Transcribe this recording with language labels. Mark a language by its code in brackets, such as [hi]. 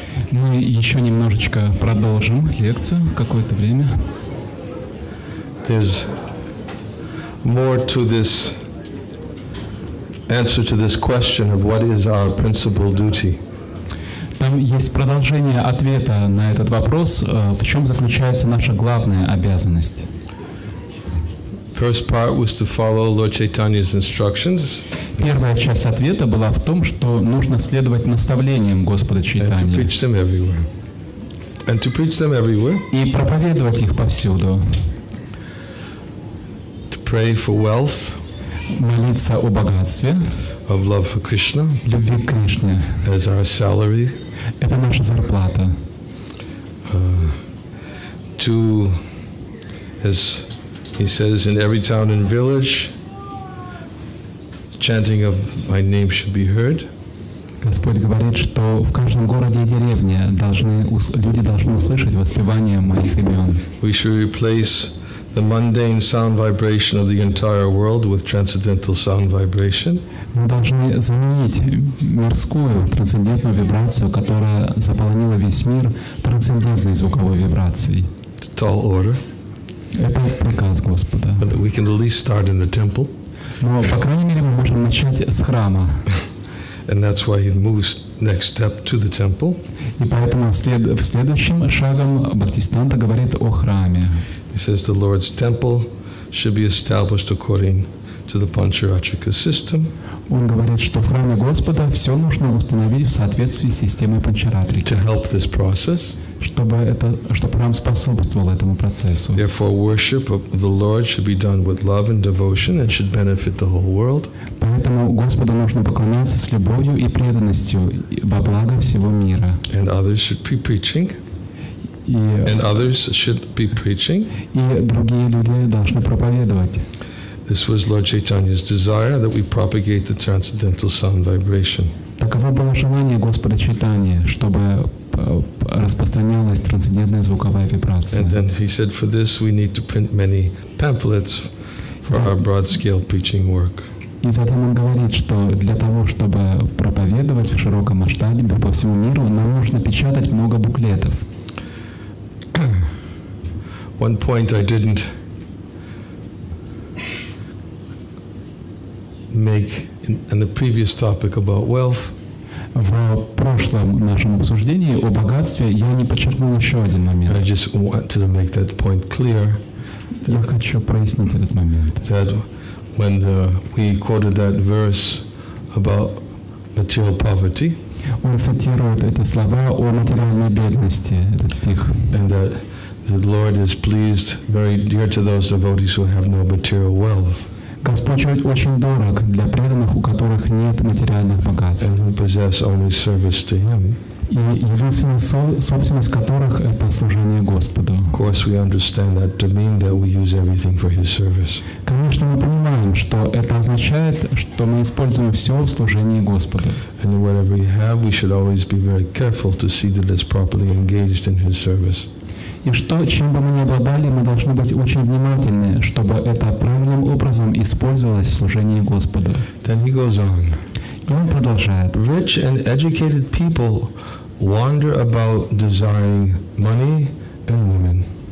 [ru] Мы еще немножечко продолжим лекцию какое-то время. [en] There's more to this answer to this question of what is our principal duty. [ru] Там есть продолжение ответа на этот вопрос, в чем заключается наша главная обязанность. [en] First part was to follow Lord Chaitanya's instructions. [ru] Первая часть ответа была в том, что нужно следовать наставлениям Господа Чайтанья. И проповедовать их повсюду. [en] To pray for wealth. [ru] молиться о богатстве, [en] of love for Krishna, [ru] любви к Кришне, [en] as our salary, [ru] это наша зарплата, [en] to, as he says, in every town and village, chanting of my name should be heard. [ru] Господь говорит, что в каждом городе и деревне должны люди должны услышать воспевание моих имен. [en] We should replace the mundane sound vibration of the entire world with transcendental sound vibration. [ru] Мы должны заменить мирскую трансцендентную вибрацию, которая заполонила весь мир, трансцендентной звуковой вибрацией. [en] Tall order. [ru] Это приказ Господа. [en] But we can at least start in the temple. [ru] Но по крайней мере мы можем начать с храма. [en] And that's why he moves next step to the temple. [ru] И поэтому в следующем шагом Бхактисиддханта говорит о храме. [en] He says the Lord's temple should be established according to the Pancharatrika system. [ru] Он говорит, что в храме Господа все нужно установить в соответствии с системой Панчаратрики. [en] To help this process. [ru] Чтобы храм способствовал этому процессу. [en] Therefore, worship of the Lord should be done with love and devotion and should benefit the whole world. [ru] Поэтому Господу нужно поклоняться с любовью и преданностью во благо всего мира. [en] And others should be preaching. And others should be preaching. [ru] И другие люди должны проповедовать. [en] This was Lord Chaitanya's desire that we propagate the transcendental sound vibration. [ru] Таково было желание Господа Чайтаньи, чтобы распространялась трансцендентная звуковая вибрация. [en] And then he said, for this we need to print many pamphlets for our broad-scale preaching work. [ru] И затем он говорит, что для того, чтобы проповедовать в широком масштабе по всему миру, нам нужно печатать много буклетов. [en] One point I didn't make in the previous topic about wealth. [ru] В прошлом нашем обсуждении о богатстве я не подчеркнул еще один момент. [en] I just wanted to make that point clear. [ru] Я хочу прояснить этот момент. [en] That when we quoted that verse about material poverty. [ru] Он цитирует эти слова о материальной бедности, этот стих. [en] And that the Lord is pleased, very dear to those devotees who have no material wealth. [ru] Господь очень дорог для преданных, у которых нет материальных богатств. [en] And who possess only service to Him. [ru] И единственная собственность которых — это служение Господу. [en] Of course, we understand that to mean that we use everything for His service. [ru] Конечно, мы понимаем, что это означает, что мы используем все в служении Господу. [en] And whatever we have, we should always be very careful to see that it's properly engaged in His service. [ru] И что, чем бы мы ни обладали, мы должны быть очень внимательны, чтобы это правильным образом использовалось в служении Господу. [en] Then he goes on. [ru] И он продолжает. [en] Rich and educated people wander about desiring money and women.